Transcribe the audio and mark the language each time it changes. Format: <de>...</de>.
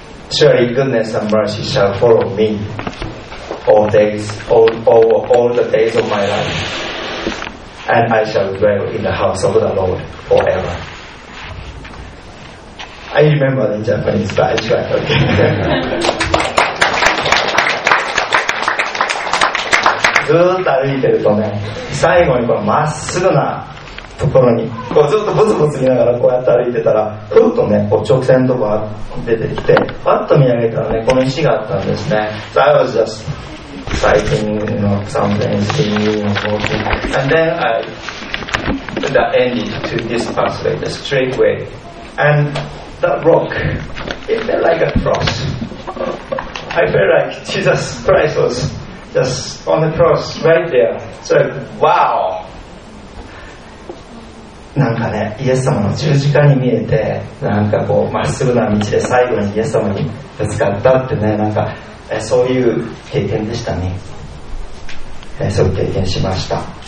<en>Surely goodness and mercy shall follow me all the days of my life. And I shall dwell in the house of the Lord forever. I remember in Japanese, but I tried to get it.</en> <ja>ずっと歩いてるとね、最後にこのまっすぐなところにこうずっとブツブツ見ながらこうやって歩いてたら、ふっとねこう直線のところが出てきて、パッと見上げたらねこの石があったんですね。</ja> <en>So I was just sighting, you know, something, singing, walking, and then I that ended to this pathway, the straight way, and that rock, it felt like a cross. I felt like Jesus Christ was just on the cross right there. So, wow!</en> <ja>なんかね、イエス様の十字架に見えて、なんかこう、まっすぐな道で最後にイエス様にぶつかったってね、なんか、そういう経験でしたね。そういう経験しました。</ja>